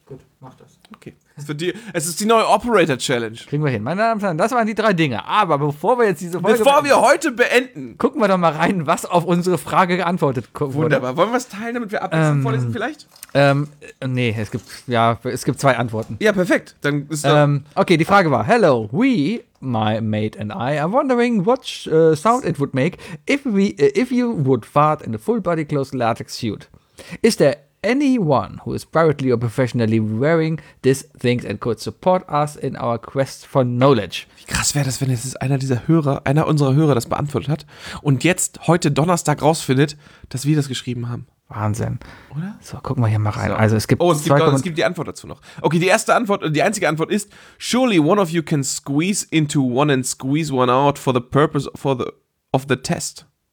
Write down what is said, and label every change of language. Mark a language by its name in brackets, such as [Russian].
[German] Gut, mach das. Okay. Es ist die neue Operator-Challenge. Kriegen wir hin. Meine Damen und Herren, das waren die 3 Dinge. Aber bevor wir jetzt diese Folge... Bevor wir heute beenden. Gucken wir doch mal rein, was auf unsere Frage geantwortet wurde. Wunderbar. Wollen wir es teilen, damit wir abwechselnd vorlesen vielleicht? Nee, es gibt 2 Antworten. Ja, perfekt. Dann ist okay, die Frage war, [English] hello, we, my mate and I, are wondering what sound it would make if you would fart in a full-body clothes latex suit. Is there anyone who is privately or professionally wearing these things and could support us in our quest for knowledge. [German] Wie krass wäre das, wenn jetzt einer unserer Hörer das beantwortet hat und jetzt heute Donnerstag rausfindet, dass wir das geschrieben haben. Wahnsinn. Oder? So, gucken wir hier mal rein. So. Also es gibt die Antwort dazu noch. Okay, die erste Antwort, die einzige Antwort ist, [English] surely one of you can squeeze into one and squeeze one out for the purpose of the test.